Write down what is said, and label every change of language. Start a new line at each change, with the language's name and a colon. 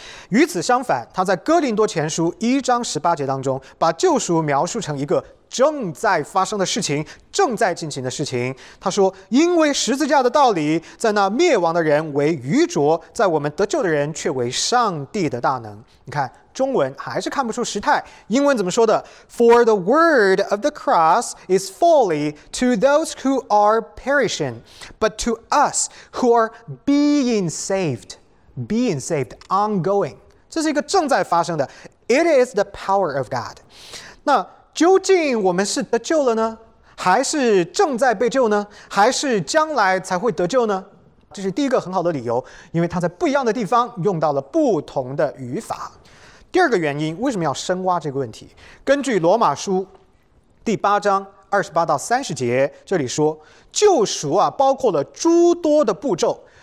Chinese: 与此相反，他在哥林多前书一章十八节当中把救赎描述成一个正在发生的事情，正在进行的事情。他说，因为十字架的道理在那灭亡的人为愚拙，在我们得救的人却为上帝的大能。你看中文还是看不出时态，英文怎么说的？
English: For the word of the cross is folly to those who are perishing, but to us who are being saved, ongoing.
Chinese: 这是一个正在发生的。
English: It is the power of God.
Chinese: 那究竟我们是得救了呢？还是正在被救呢？还是将来才会得救呢？这是第一个很好的理由，因为它在不一样的地方用到了不同的语法。第二个原因，为什么要深挖这个问题？根据罗马书第八章二十八到三十节，这里说，救赎啊，包括了诸多的步骤。